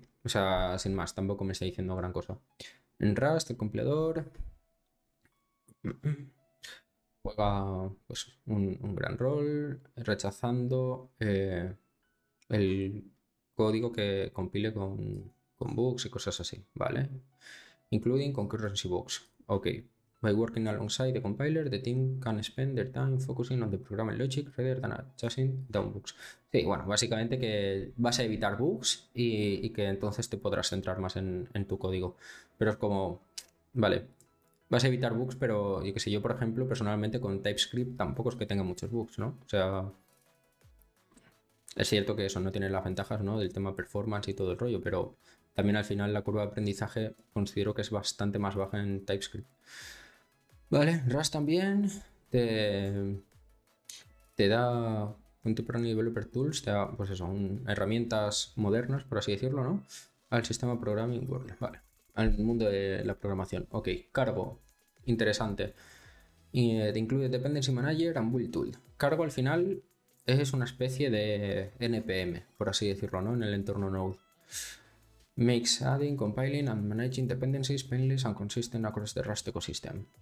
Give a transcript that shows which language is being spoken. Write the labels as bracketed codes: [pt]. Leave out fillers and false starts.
[es] O sea, sin más, tampoco me está diciendo gran cosa. En Rust, el compilador juega pues, un gran rol rechazando el código que compile con bugs y cosas así, ¿vale? [en] Including concurrency bugs. Ok. By working alongside the compiler, the team can spend their time focusing on the programming logic rather than chasing down bugs. [es] Sí, bueno, básicamente que vas a evitar bugs y que entonces te podrás centrar más en tu código. Pero es como, vale, vas a evitar bugs, pero yo qué sé, yo por ejemplo, personalmente con TypeScript tampoco es que tenga muchos bugs, ¿no? O sea, es cierto que eso no tiene las ventajas, ¿no? Del tema performance y todo el rollo, pero también al final la curva de aprendizaje considero que es bastante más baja en TypeScript. Vale, Rust también te da [en] Contemporary Developer Tools, [es] te da, pues eso, herramientas modernas, por así decirlo, ¿no? Al sistema Programming World, vale. Al mundo de la programación. Ok, cargo, interesante. Te incluye [en] Dependency Manager and Build Tool. [es] Cargo al final es una especie de NPM, por así decirlo, ¿no? En el entorno Node. [en] Makes adding, compiling and managing dependencies painless and consistent across the Rust ecosystem.